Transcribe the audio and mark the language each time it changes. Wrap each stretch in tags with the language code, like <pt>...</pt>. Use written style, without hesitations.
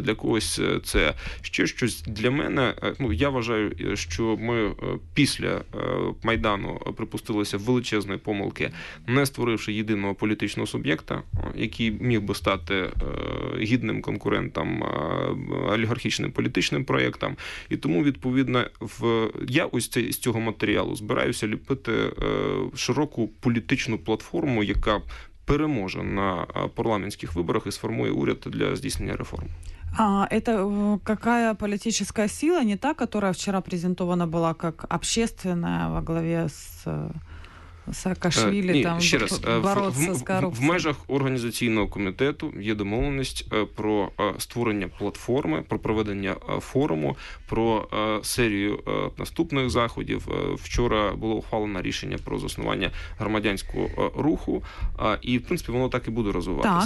<uk>Для когось це ще щось. Для мене, ну, я вважаю, що ми після Майдану припустилися величезної помилки, не створивши єдиного політичного суб'єкта, який міг би стати гідним конкурентом олігархічним політичним проєктам. І тому, відповідно, я ось з цього матеріалу збираюся ліпити широку політичну платформу, яка переможе на парламентських виборах і сформує уряд для здійснення реформ.</uk> <ru>А это какая политическая сила, не та, которая вчера презентована была как общественная во главе с Саакашвили, там,</ru> <uk>ще раз, бороться з корупцією? В межах організаційного комітету є домовленість про створення платформи, про проведення форуму, про серію наступних заходів. Вчора було ухвалено рішення про заснування громадянського руху, і, в принципі, воно так і буде розвиватися.</uk>